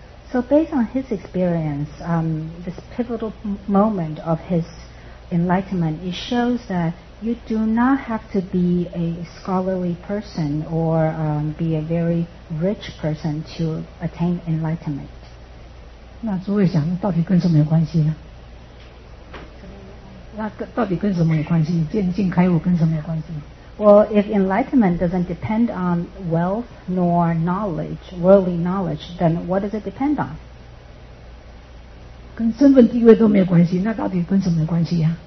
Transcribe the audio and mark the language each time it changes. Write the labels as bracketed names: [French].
[English] So based on his experience, this pivotal moment of his enlightenment, it shows that. You do not have to be a scholarly person or be a very rich person to attain enlightenment. [Chinese] 那诸位想，到底跟什么有关系呢？到底跟什么有关系？见性开悟跟什么有关系？ [English] Well, if enlightenment doesn't depend on wealth nor knowledge, worldly knowledge, then what does it depend on? [Chinese] 跟身份地位都没有关系，那到底跟什么有关系呀？